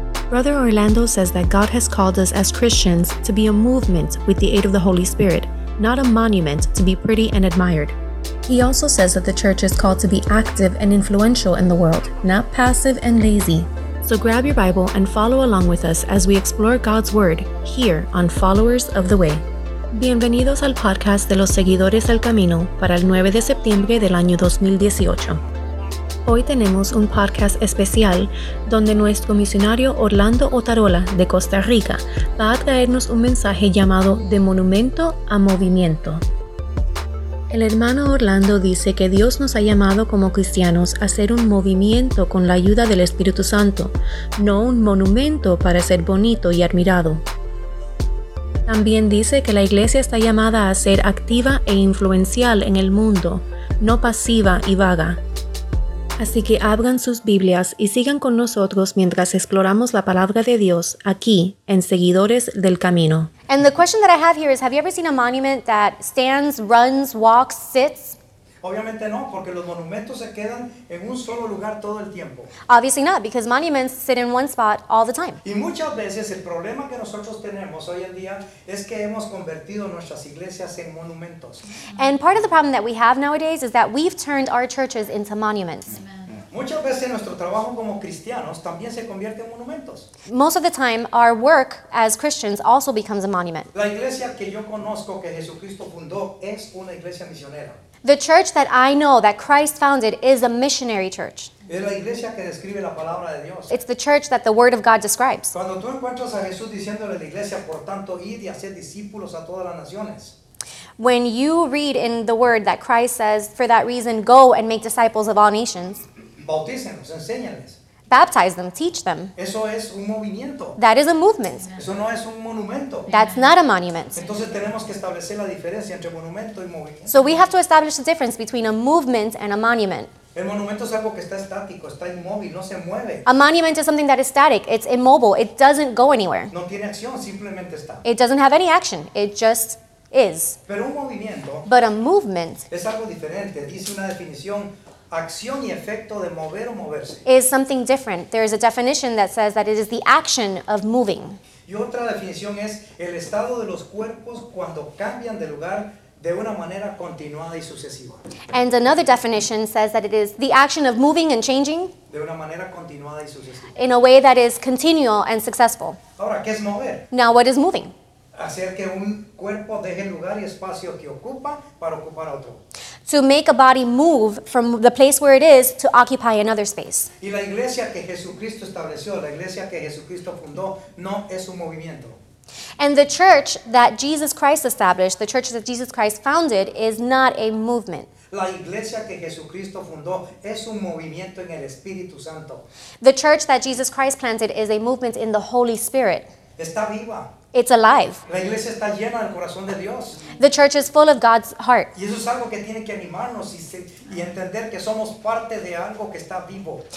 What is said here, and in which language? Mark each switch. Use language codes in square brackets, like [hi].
[en] Brother Orlando says that God has called us as Christians to be a movement with the aid of the Holy Spirit, not a monument to be pretty and admired. He also says that the church is called to be active and influential in the world, not passive and lazy. So grab your Bible and follow along with us as we explore God's Word here on Followers of the Way. [es] Bienvenidos al podcast de los seguidores del camino para el 9 de septiembre del año 2018. Hoy tenemos un podcast especial donde nuestro misionario Orlando Otarola de Costa Rica va a traernos un mensaje llamado De Monumento a Movimiento. El hermano Orlando dice que Dios nos ha llamado como cristianos a ser un movimiento con la ayuda del Espíritu Santo, no un monumento para ser bonito y admirado. También dice que la iglesia está llamada a ser activa e influencial en el mundo, no pasiva y vaga. Así que abran sus Biblias y sigan con nosotros mientras exploramos la palabra de Dios aquí en Seguidores del Camino. [en] And the question that I have here is, have you ever seen a monument that stands, runs, walks, sits? [es] Obviamente no, porque los monumentos se quedan en un solo lugar todo el tiempo. [en] Obviously not, because monuments sit in one spot all the time. [es] Y muchas veces el problema que nosotros tenemos hoy en día es que hemos convertido nuestras iglesias en monumentos. [en] And part of the problem that we have nowadays is that we've turned our churches into monuments. [es] Muchas veces nuestro trabajo como cristianos también se convierte en monumentos. [en] Most of the time, our work as Christians also becomes a monument. [es] La iglesia que yo conozco que Jesucristo fundó es una iglesia misionera. [en] The church that I know that Christ founded is a missionary church. [es] Es la iglesia que describe la palabra de Dios. [en] It's the church that the Word of God describes. [es] Cuando tú encuentras a Jesús diciéndole a la iglesia, por tanto, id y hacer discípulos a todas las naciones. [en] When you read in the Word that Christ says, for that reason, go and make disciples of all nations. [es] Bautícenlos, enséñales. [en] Baptize them, teach them. [es] Eso es un movimiento. [en] That is a movement. [es] Eso no es un monumento. [en] That's not a monument. [es] Entonces tenemos que establecer la diferencia entre monumento y movimiento. [en] So we have to establish the difference between a movement and a monument. [es] El monumento es algo que está estático, está inmóvil, no se mueve. [en] A monument is something that is static, it's immobile, it doesn't go anywhere. [es] No tiene acción, simplemente está. [en] It doesn't have any action, it just is. [es] Pero un movimiento. [en] But a movement. [es] Es algo diferente, dice una definición. Acción y efecto de mover o moverse. [en] Is something different. There is a definition that says that it is the action of moving. [es] Y otra definición es el estado de los cuerpos cuando cambian de lugar de una manera continuada y sucesiva. [en] And another definition says that it is the action of moving and changing. [es] De una manera continuada y sucesiva. [en] In a way that is continual and successful. [es] Ahora, ¿qué es mover? [en] Now, what is moving? [es] Hacer que un cuerpo deje el lugar y espacio que ocupa para ocupar otro. [en] To make a body move from the place where it is to occupy another space. [es] Y la iglesia que Jesucristo estableció, la iglesia que Jesucristo fundó, no es un movimiento. [en] And the church that Jesus Christ established, the church that Jesus Christ founded, is not a movement. [es] La iglesia que Jesucristo fundó es un movimiento en el Espíritu Santo. [en] The church that Jesus Christ planted is a movement in the Holy Spirit. [es] Está viva. [en] It's alive. [es] La iglesia está llena del corazón de Dios. [en] The church is full of God's heart. [es] Y eso es algo que tiene que animarnos y entender que somos parte de algo que está vivo.